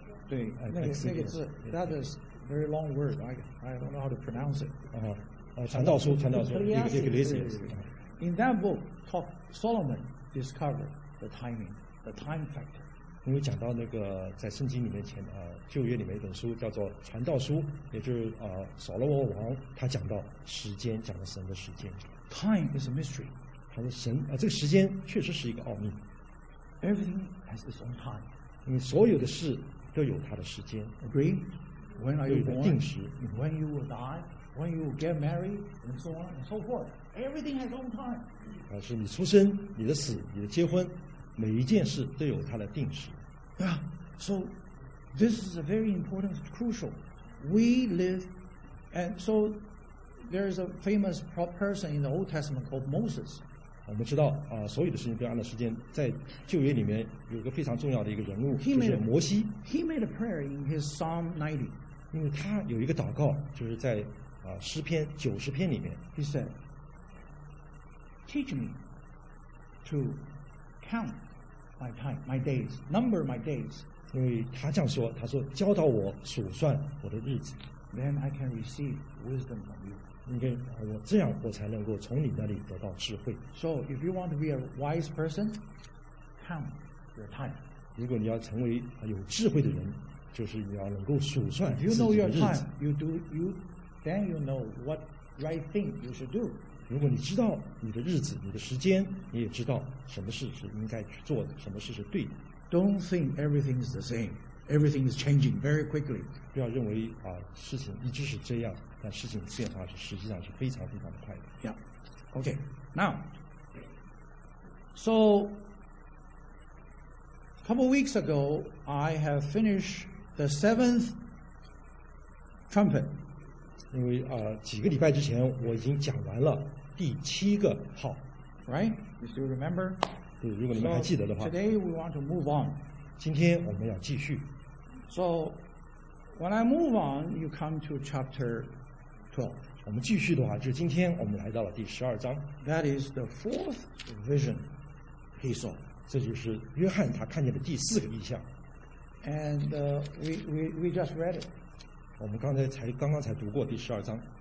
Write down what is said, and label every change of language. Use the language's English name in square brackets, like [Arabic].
[Chinese] 对那个字 [English] that is very long word I don't know how to pronounce it [Chinese] 传道书 [English] Ecclesiastes in that book talk Solomon discovered the timing the time factor [Chinese] 因为讲到那个在圣经里面前旧约里面一本书叫做《传道书》，也就是扫罗王，他讲到时间，讲了神的时间。 [English] Time is a mystery。 [Chinese] 他说神这个时间确实是一个奥秘。 [English] Everything has its own time。 [Chinese] 你所有的事都有它的时间。 [English] Agree? When are you born? [Chinese] 有一个定时。 [English] When you will die? When you will get married? And so on and so forth. Everything has its own time。 [Chinese] 啊，是你出生、你的死、你的结婚，每一件事都有它的定时。 [English] Yeah. So. This is a very important, crucial. We live, and so there is a famous person in the Old Testament called Moses. [Chinese] 我们知道啊，所有的事情都按照时间，在旧约里面有一个非常重要的一个人物，就是摩西。 [English] He made a prayer in his Psalm 90. [Chinese] 因为他有一个祷告，就是在诗篇90篇里面。 [English] He said, "Teach me to count my time, my days, number my days. [Chinese] 因为他这样说，他说教导我数算我的日子。 [English] Then I can receive wisdom from you. [Chinese] 应该我这样，我才能够从你那里得到智慧。 [English] So if you want to be a wise person, count your time. [Chinese] 如果你要成为有智慧的人，就是你要能够数算自己的日子。 [English] If you know your time, you do you. Then you know what right thing you should do. [Chinese] 如果你知道你的日子、你的时间，你也知道什么事是应该去做的，什么事是对的。 [English] Don't think everything is the same. Everything is changing very quickly. [Chinese] 不要认为啊，事情一直是这样，但事情变化是实际上是非常非常的快的。 [English] Yeah. Okay. Now, so a couple weeks ago, I have finished the seventh trumpet. [Chinese] 因为啊，几个礼拜之前我已经讲完了第七个号。 [English] Right? You still remember? [Chinese] 对，如果你们还记得的话。 [English] So, today we want to move on. [Chinese] 今天我们要继续。 [English] So, when I move on, you come to chapter 12. [Chinese] 我们继续的话，就今天我们来到了第十二章。 [English] That is the fourth vision he saw. [Chinese] 这就是约翰他看见的第四个异象。 [English] And we just read it. [Chinese] 我们刚刚才读过第十二章。